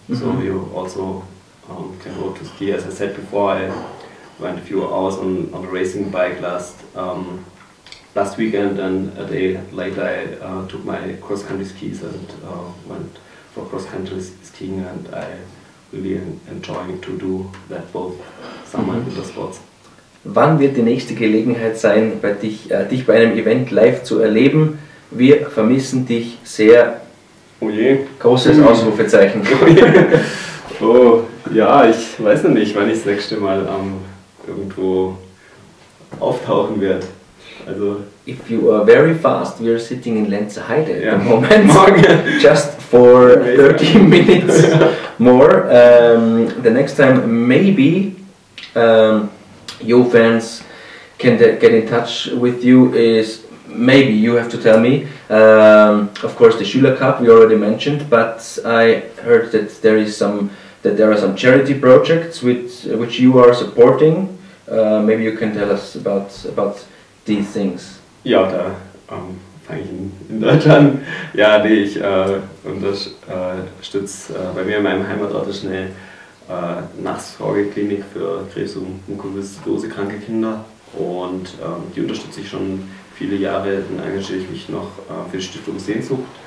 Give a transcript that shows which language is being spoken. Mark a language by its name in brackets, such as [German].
[English] So you also can go to ski. As I said before, I went a few hours on a racing bike last weekend, and a day later I took my cross-country skis and went for cross-country skiing, and I really enjoy to do that both summer and winter sports. [German] Wann wird die nächste Gelegenheit sein, bei dich bei einem Event live zu erleben? Wir vermissen dich sehr. Oh je. Großes Ausrufezeichen. Oh, ja, ich weiß noch nicht, wann ich das nächste Mal irgendwo auftauchen werde. Also, [English] if you are very fast, we are sitting in Lenzerheide at the moment. [German] Morgen. [English] Just for 30 minutes more. The next time, maybe your fans can get in touch with you is... Maybe you have to tell me. Of course, the Schüler Cup we already mentioned, but I heard that there are some charity projects which you are supporting. Maybe you can tell us about these things. Yeah, the [German] eigentlich in Deutschland. Ja, nee, ich unterstütze bei mir in meinem Heimatort eine Nachsorgeklinik für Krebs- und Mukoviszidose-kranke Kinder. Und die unterstütze ich schon viele Jahre. Dann engagiere ich mich noch für die Stiftung Sehnsucht.